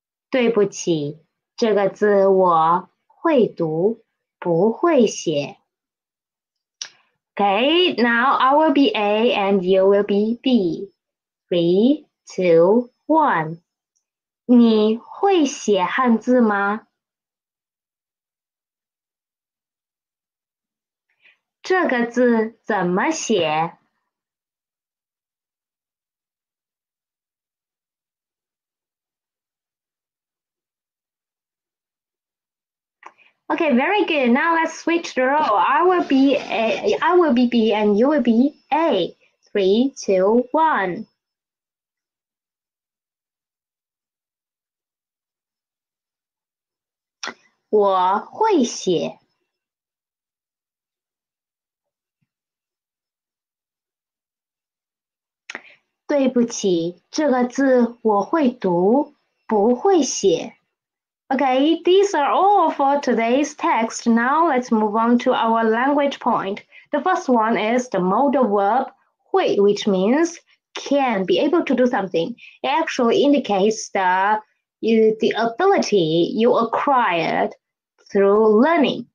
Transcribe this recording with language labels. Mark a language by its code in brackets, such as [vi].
[zh] 对不起，这个字我会读，不会写。 [en] Okay, now I will be A and you will be B. 3, 2, 1. [zh] 你会写汉字吗？这个字怎么写？ [en] Okay, very good. Now let's switch the role. I will be B and you will be A. 3, 2, 1. [zh] 我会写。对不起，这个字我会读，不会写。 [en] Okay, these are all for today's text. Now let's move on to our language point. The first one is the modal verb 会, which means can, be able to do something. It actually indicates the ability you acquired through learning.